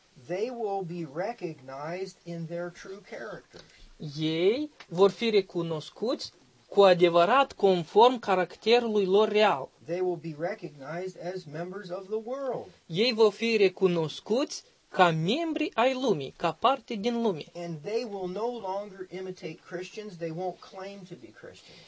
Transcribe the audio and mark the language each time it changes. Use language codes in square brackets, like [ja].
[en] They will be recognized in their true character. [ro] Ei vor fi recunoscuți cu adevărat conform caracterului lor real. [en] They will be recognized as members of the world. [ro] Ei vor fi recunoscuți ca membri ai lumii, ca parte din lume. [en] And they will no longer imitate Christians, they won't claim to be Christians.